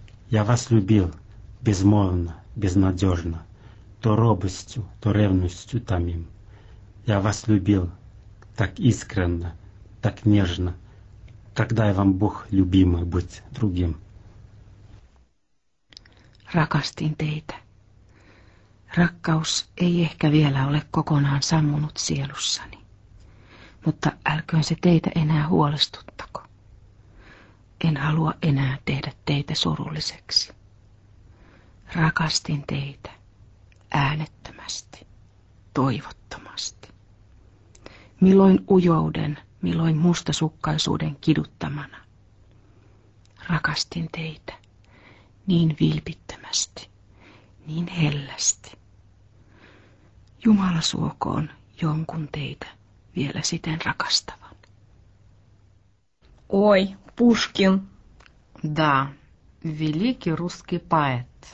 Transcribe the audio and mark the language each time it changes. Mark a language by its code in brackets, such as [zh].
[ru] Я вас любил безмолвно, безнадежно, то робостью, то ревностью томим. Я вас любил так искренно, так нежно, как дай вам Бог любимый быть другим. [fi] Rakastin teitä. Rakkaus ei ehkä vielä ole kokonaan sammunut sielussani, mutta älköön se teitä enää huolestuttako. En halua enää tehdä teitä surulliseksi. Rakastin teitä äänettömästi, toivottomasti. Milloin ujouden, milloin mustasukkaisuuden kiduttamana. Rakastin teitä niin vilpittömästi, niin hellästi. Jumala suokoon jonkun teitä vielä siten rakastavan. Oi, Пушкин. [ru] Да, великий русский поэт.